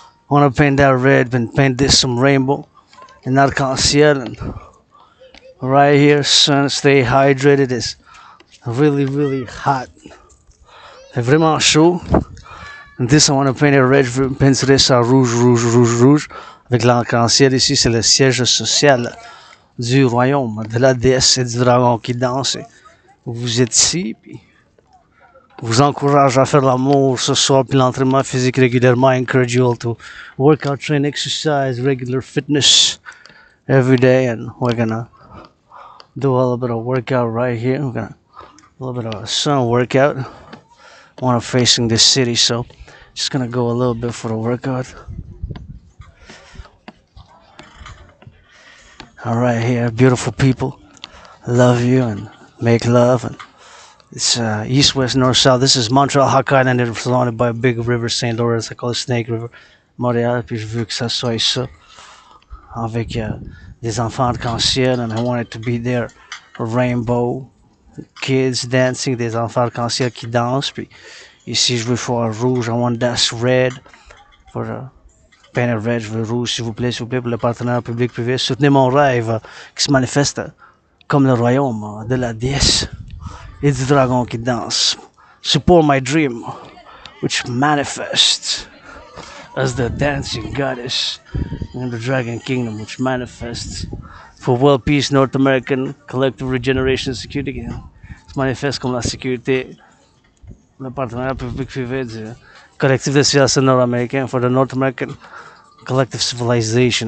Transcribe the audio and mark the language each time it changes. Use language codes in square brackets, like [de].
[en] Wanna paint that red, then paint this some rainbow. And arc-en-ciel. Right here, sun, stay hydrated. It's really, really hot. [fr] Vraiment chaud. [en] And this I want to paint it red, paint this rouge. [fr] Avec l'arc-en-ciel ici, c'est le siège social du royaume, de la déesse et du dragon qui danse. Vous êtes ici, puis vous encourage à faire l'amour ce soir, puis l'entraînement physique régulièrement. [en] I encourage you all to work out, train, exercise, regular fitness every day. And we're gonna do a little bit of workout right here. We're gonna a little bit of a sun workout. We're facing this city, so just gonna go a little bit for a workout. All right, here, beautiful people, love you and make love. And it's east, west, north, south. This is Montreal, Hawk Island, and it's surrounded by a big river, St. Lawrence. I call it Snake River. [fr] Montreal, puis je veux que ça soit ça. Avec des enfants arc-en-ciel, [en] and I want it to be there. Rainbow, kids dancing, [fr] des enfants arc-en-ciel qui dansent. Puis ici, je veux faire rouge, [en] I want that red for peine red, [fr] je veux rouge, s'il vous plaît, pour le partenaire public-privé. Soutenez mon rêve qui se manifeste comme le royaume de la déesse et du dragon qui danse. [en] Support my dream, which manifests as the dancing goddess in the dragon kingdom, which manifests for world peace, North American collective regeneration security. [fr] Se manifeste comme la sécurité, le partenaire public-privé du collectif de civilisation nord-américain [en] for the North American collective civilization.